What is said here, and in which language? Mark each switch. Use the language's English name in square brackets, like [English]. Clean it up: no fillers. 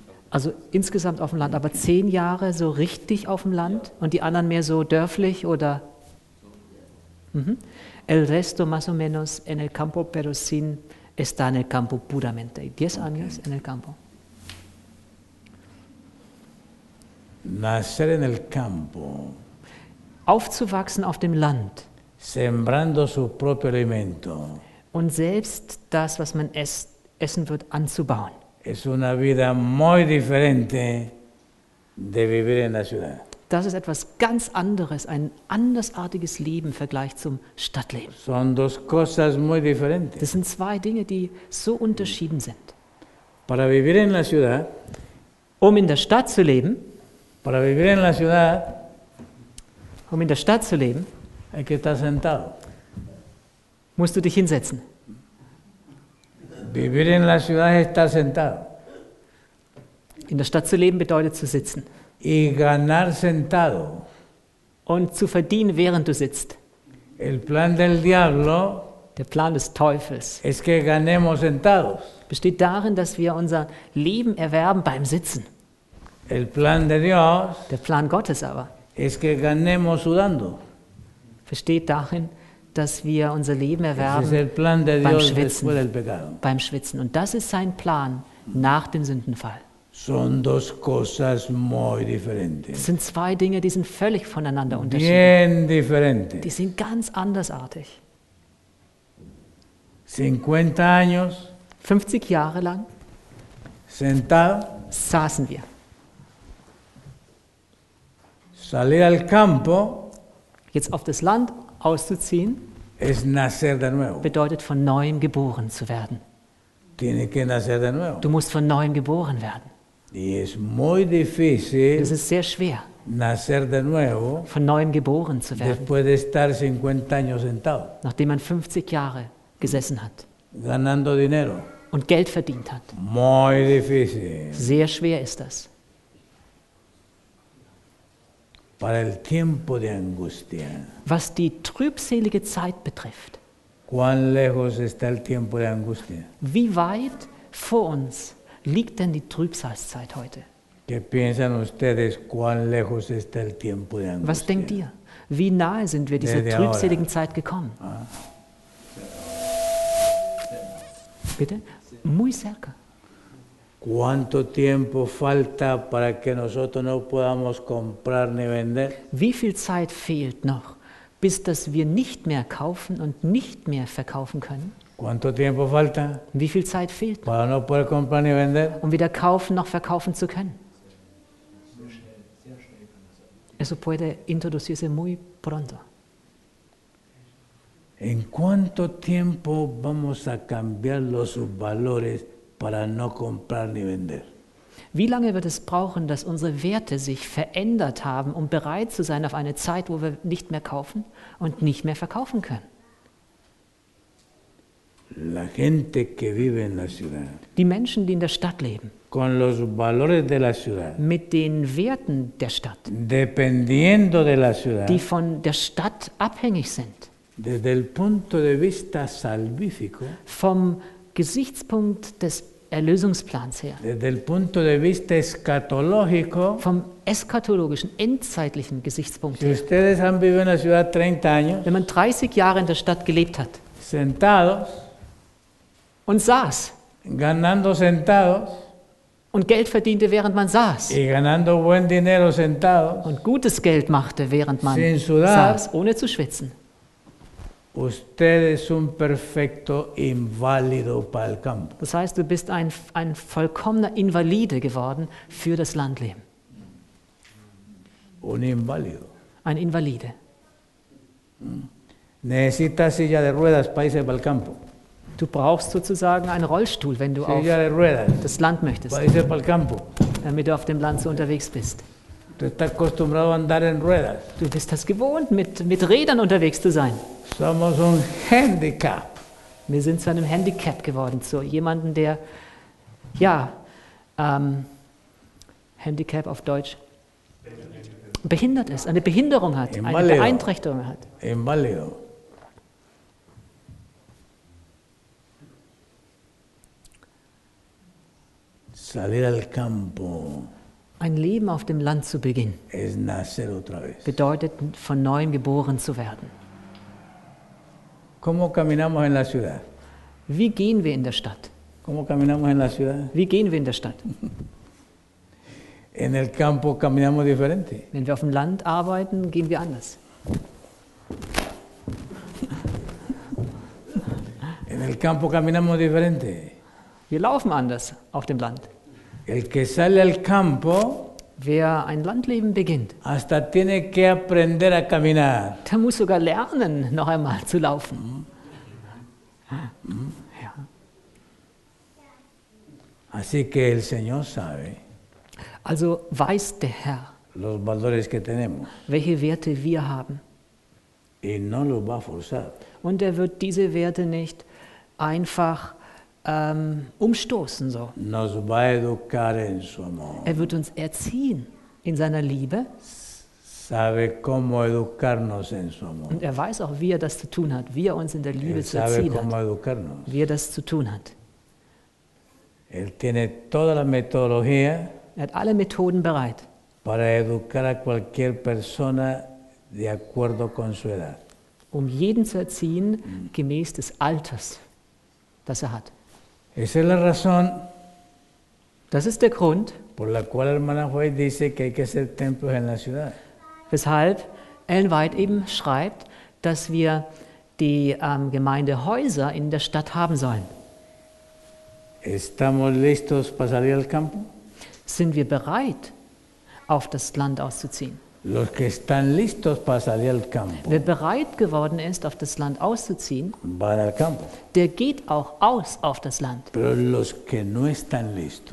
[German] Also insgesamt auf dem Land. Okay. Aber 10 Jahre so richtig auf dem Land ja. Und die anderen mehr so dörflich oder... So, ja. Mhm. [Spanish] El resto más o menos en el campo, pero sin estar en el campo puramente. 10 okay. años en el campo. Nacer en el campo. [German] Aufzuwachsen auf dem Land. [Spanish] Sembrando su propio alimento. [German] Und selbst das, was man essen wird, anzubauen. [Spanish] Es una vida muy diferente de vivir en la ciudad. [German] Das ist etwas ganz anderes, ein andersartiges Leben im Vergleich zum Stadtleben. [Spanish] Son dos cosas muy diferentes. [German] Das sind zwei Dinge, die so unterschieden sind. [Spanish] Para vivir en la ciudad, [German] um in der Stadt zu leben, [Spanish] para vivir en la ciudad, [German] um in der Stadt zu leben, [Spanish] hay que estar sentado. [German] Musst du dich hinsetzen. [Spanish] Vivir en la ciudad es estar sentado. [German] In der Stadt zu leben bedeutet zu sitzen. [Spanish] Y ganar sentado. [German] Und zu verdienen, während du sitzt. [Spanish] El plan del diablo, [German] der Plan des Teufels, [Spanish] es que ganemos sentados. [German] Besteht darin, dass wir unser Leben erwerben beim Sitzen. [Spanish] El plan de Dios, [German] der Plan Gottes aber, [Spanish] es que ganemos sudando. [German] Besteht darin, dass wir unser Leben erwerben [Spanish] es el plan de Dios [German] beim Schwitzen. Und das ist sein Plan nach dem Sündenfall. [Spanish] Son dos cosas muy diferentes. [German] Sind zwei Dinge, die sind völlig voneinander unterschieden. [Spanish] Bien diferentes. [German] Die sind ganz andersartig. [Spanish] 50 años. [German] 50 Jahre lang. [Spanish] Sentado. [German] Saßen wir. [Spanish] Salir al campo. [German] Jetzt auf das Land auszuziehen. [Spanish] Es nacer de nuevo. [German] Bedeutet von neuem geboren zu werden. [Spanish] Tiene que nacer de nuevo. [German] Du musst von neuem geboren werden. [Spanish] Es muy difícil. [German] Es ist sehr schwer. [Spanish] Nacer de nuevo. [German] Von neuem geboren zu werden. [Spanish] Después de estar 50 años sentado. [German] Nachdem man 50 Jahre gesessen hat. [Spanish] Ganando dinero. [German] Und Geld verdient hat. [Spanish] Muy difícil. [German] Sehr schwer ist das. [Spanish] Para el tiempo de angustia. [German] Was die trübselige Zeit betrifft. [Spanish] ¿Cuán lejos está el tiempo de angustia? [German] Wie weit vor uns liegt denn die Trübsalzeit heute? [Spanish] ¿Qué piensan ustedes, cuán lejos está el tiempo de angustia? [German] Was denkt ihr? Wie nahe sind wir dieser [Spanish] Desde [German] trübseligen [Spanish] ahora. [German] Zeit gekommen? Bitte? [Spanish] Muy cerca. ¿Cuánto tiempo falta para que nosotros no podamos comprar ni vender? [German] Wie viel Zeit fehlt noch, bis dass wir nicht mehr kaufen und nicht mehr verkaufen können? [Spanish] ¿Cuánto tiempo falta? [German] Wie viel Zeit fehlt [Spanish] para no poder comprar ni vender? [German] Um weder kaufen noch verkaufen zu können? [Spanish] Eso puede introducirse muy pronto. ¿En cuánto tiempo vamos a cambiar los valores para no comprar ni vender? [German] Wie lange wird es brauchen, dass unsere Werte sich verändert haben, um bereit zu sein auf eine Zeit, wo wir nicht mehr kaufen und nicht mehr verkaufen können? [Spanish] La gente que vive en la ciudad, [German] die Menschen, die in der Stadt leben, [Spanish] con los valores de la ciudad, [German] mit den Werten der Stadt, [Spanish] dependiendo de la ciudad, [German] die von der Stadt abhängig sind, [Spanish] desde el punto de vista salvífico, [German] vom Gesichtspunkt des Erlösungsplans her, [Spanish] desde el punto de vista escatológico, [German] vom eschatologischen, endzeitlichen Gesichtspunkt [Spanish] si ustedes [German] her, [Spanish] han vivido en la ciudad 30 años, [German] wenn man 30 Jahre in der Stadt gelebt hat, [Spanish] sentados, [German] und saß, [Spanish] ganando sentados, [German] und Geld verdiente, während man saß, [Spanish] y ganando buen dinero sentados, [German] und gutes Geld machte, während man [Spanish] sin sudar, [German] saß, ohne zu schwitzen. [Spanish] Usted es un perfecto inválido para el campo. [German] Das heißt, du bist ein vollkommener Invalide geworden für das Landleben. [Spanish] Un inválido. [German] Ein Invalide. [Spanish] Necesitas silla de ruedas para irse para el campo. [German] Du brauchst sozusagen einen Rollstuhl, wenn du [Spanish] silla [German] auf [Spanish] de ruedas [German] das Land möchtest. [Spanish] Para irse para el campo. [German] Damit du auf dem Land so unterwegs bist. [Spanish] Tú estás acostumbrado a andar en ruedas. [German] Du bist das gewohnt, mit Rädern unterwegs zu sein. [Spanish] Somos un handicap. [German] Wir sind zu einem Handicap geworden, zu jemandem, der, ja, Handicap auf Deutsch, behindert ist, eine Behinderung hat, [Spanish] invalido. [German] Eine Beeinträchtigung hat. [Spanish] Invalido. Salir al campo. [German] Ein Leben auf dem Land zu beginnen, [Spanish] es nacer otra vez. [German] Bedeutet, von neuem geboren zu werden. [Spanish] ¿Cómo caminamos en la ciudad? [German] Wie gehen wir in der Stadt? [Spanish] ¿Cómo caminamos en la ciudad? [German] Wie gehen wir in der Stadt? [Spanish] En el campo caminamos diferente. [German] Wenn wir auf dem Land arbeiten, gehen wir anders. [Spanish] En el campo caminamos diferente. [German] Wir laufen anders auf dem Land. [Spanish] El que sale al campo, [German] wer ein Landleben beginnt, [Spanish] hasta tiene que aprender a caminar. [German] Der muss sogar lernen, noch einmal zu laufen. Ja. [Spanish] Así que el Señor sabe, [German] also weiß der Herr, [Spanish] los valores que tenemos, [German] welche Werte wir haben. [Spanish] Y no los va a forzar. [German] Und er wird diese Werte nicht einfach umstoßen. So. [Spanish] Nos va a educar en su amor. [German] Er wird uns erziehen in seiner Liebe. [Spanish] Sabe cómo educarnos en su amor. [German] Und er weiß auch, wie er das zu tun hat, wie er uns in der Liebe [Spanish] él [German] zu erziehen [Spanish] sabe cómo [German] hat, [Spanish] educarnos. [German] Wie er das zu tun hat. [Spanish] Él tiene toda la metodología, [German] er hat alle Methoden bereit, [Spanish] para educar a cualquier persona de acuerdo con su edad. [German] Um jeden zu erziehen, gemäß des Alters, das er hat. [Spanish] Esa es la razón. [German] Das ist der Grund. [Spanish] Por la cual hermana White dice que hay que hacer templos en la ciudad. [German] Weshalb Ellen White eben schreibt, dass wir die Gemeindehäuser in der Stadt haben sollen. [Spanish] Estamos listos para salir al campo? [German] Sind wir bereit, auf das Land auszuziehen? [Spanish] Los que están listos para salir al campo. [German] Wer bereit geworden ist, auf das Land auszuziehen, [Spanish] va al campo. [German] Der geht auch aus auf das Land. [Spanish] Pero los que no están listos,